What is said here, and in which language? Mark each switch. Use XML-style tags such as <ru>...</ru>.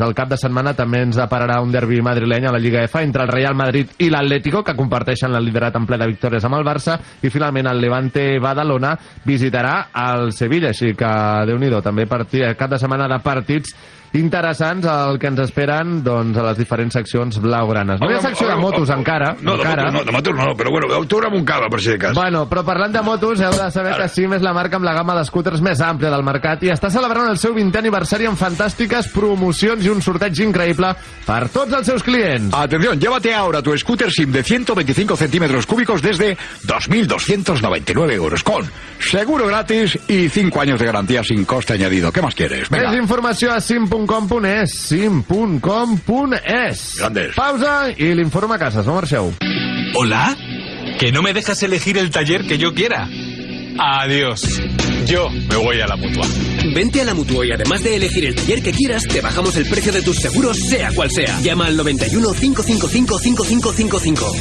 <ca>El cap de setmana també ens depararà un derbi madrileny a la Lliga EFA entre el Real Madrid i l'Atlético, que comparteixen la liderat en ple de victòries amb el Barça, i finalment el Levante Badalona visitarà el Sevilla, així que déu-n'hi-do, també partir cap de setmana de partits interessants, el que ens esperen doncs a les diferents seccions blaugranes. No hi ha secció de motos encara. No, de motos no, però bueno, ho tornem un cava, per si de cas. Bueno, però parlant de motos, heu de saber que Cim és la marca amb la gamma d'escúters més àmplia del mercat i està celebrant el seu 20è aniversari amb fantàstiques promocions i un sorteig increïble per tots els seus clients.</ca> <es>Atención, llévate ahora tu scooter Cim de 125 centímetros cúbicos desde 2.299 euros con seguro gratis y 5 años de garantía sin coste añadido. ¿Qué más quieres? Venga.</es> <ca>Més informació a Cim .com.es, sim.com.es.</ca> <es>Grandes.</es> <ca>Pausa y le informa a casa. No marxeu.</ca> <es>Hola, que no me dejas elegir el taller que yo quiera. Adiós. Yo me voy a la Mutua. Vente a la Mutua y además de elegir el taller que quieras, te bajamos el precio de tus seguros, sea cual sea. Llama al 91-555-5555.</es>